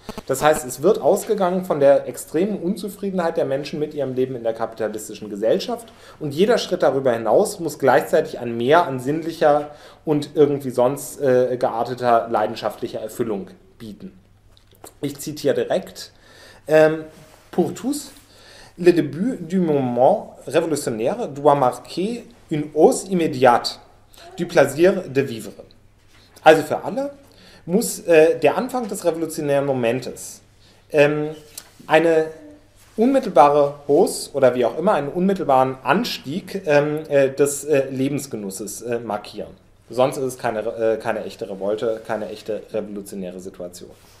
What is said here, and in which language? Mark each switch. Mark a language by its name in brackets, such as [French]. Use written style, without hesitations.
[German] Das heißt, es wird ausgegangen von der extremen Unzufriedenheit der Menschen mit ihrem Leben in der kapitalistischen Gesellschaft. Und jeder Schritt darüber hinaus muss gleichzeitig an mehr, an sinnlicher und irgendwie sonst gearteter leidenschaftlicher Erfüllung bieten. Ich zitiere direkt, Purtus. [French] Le début du mouvement révolutionnaire doit marquer une hausse immédiate du plaisir de vivre. [German] Also für alle muss der Anfang des revolutionären Momentes eine unmittelbare Hausse oder wie auch immer einen unmittelbaren Anstieg des Lebensgenusses markieren. Sonst ist es keine echte Revolte, keine echte revolutionäre Situation.